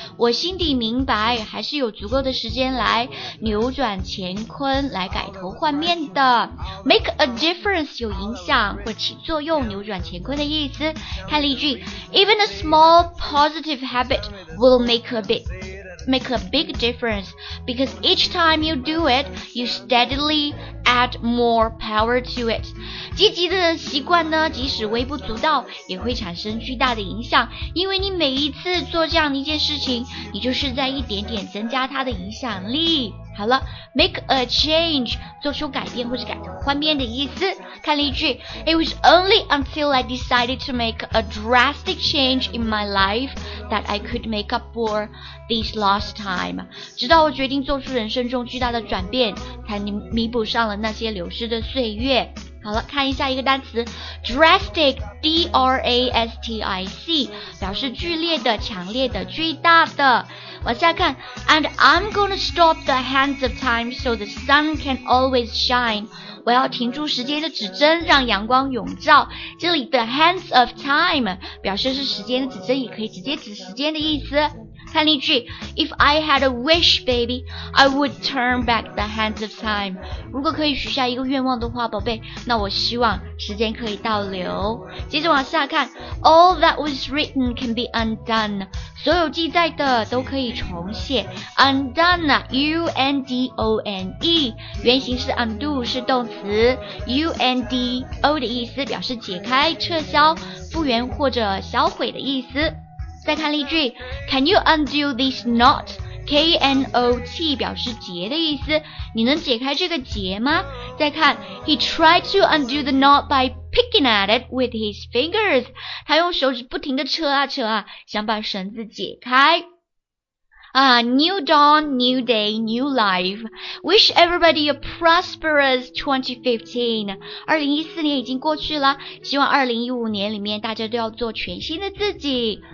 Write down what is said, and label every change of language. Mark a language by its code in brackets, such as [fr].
[zh] 我心底明白还是有足够的时间来扭转乾坤来改头换面的。 [en] Make a difference [zh] 有影响或起作用扭转乾坤的意思。看例句 [en] Even a small positive habit will make a big difference because each time you do it, you steadily add more power to it. [zh] 积极的习惯呢，即使微不足道，也会产生巨大的影响，因为你每一次做这样的一件事情，你就是在一点点增加它的影响力。好了 ， [en] make a change， [zh] 做出改变或者改头换面的意思。看例句 [en] ，It was only until I decided to make a drastic change in my life that I could make up for this lost time。 [zh] 直到我决定做出人生中巨大的转变，才弥补上了那些流失的岁月。好了，看一下一个单词 drastic, D-R-A-S-T-I-C, 表示剧烈的、强烈的、巨大的。往下看 [en] And I'm gonna stop the hands of time so the sun can always shine. [zh] 我要停住时间的指针，让阳光永照。这里 [en] the hands of time [zh] 表示是时间的指针，也可以直接指时间的意思。看例句 [en] If I had a wish, baby, I would turn back the hands of time. [zh] 如果可以许下一个愿望的话，宝贝，那我希望时间可以倒流。接着往下看 [en] All that was written can be undone. [zh] 所有记载的都可以重写。 Undone, U-N-D-O-N-E, 原型是 undo, 是动词。 U-N-D-O 的意思表示解开、撤销、复原或者销毁的意思。再看例句 [en] Can you undo this knot? [zh] K-N-O-T 表示结的意思，你能解开这个结吗？再看 [en] He tried to undo the knot by picking at it with his fingers. [zh] 他用手指不停地扯啊扯啊，想把绳子解开。 [en] New dawn, new day, new life. Wish everybody a prosperous 2015. [zh] 2014年已经过去了，希望2015年里面大家都要做全新的自己。